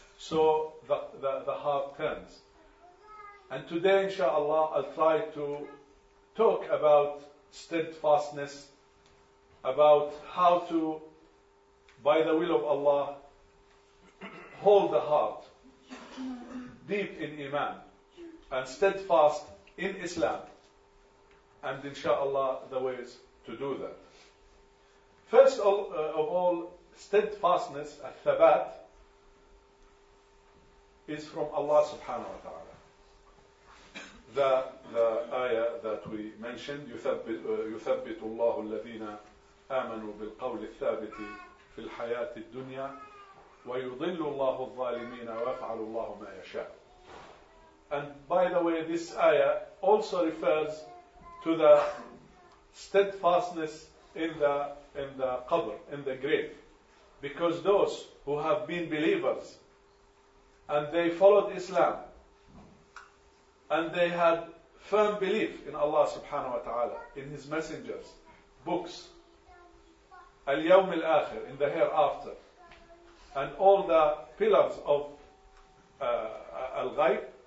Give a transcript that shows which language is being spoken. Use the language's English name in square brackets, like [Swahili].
[English] So the heart turns. And today, inshallah, I'll try to talk about steadfastness, about how to, by the will of Allah, hold the heart deep in Iman and steadfast in Islam, and inshallah, the ways to do that. First of all, steadfastness, al-thabat, is from Allah subhanahu wa ta'ala. The ayah that we mentioned, [Arabic] يُثَبِّتُ اللَّهُ الَّذِينَ آمَنُوا بِالْقَوْلِ الثَّابِتِ فِي الْحَيَاةِ الدُّنْيَا وَيُضِلُّ اللَّهُ الظَّالِمِينَ وَفَعَلُ اللَّهُ مَا يَشَاءُ. [English] And by the way, this ayah also refers to the steadfastness in the qabr, in the grave. Because those who have been believers and they followed Islam and they had firm belief in Allah subhanahu wa ta'ala, in His messengers, books, al-yawm al-akhir, in the hereafter, and all the pillars of al-ghayb,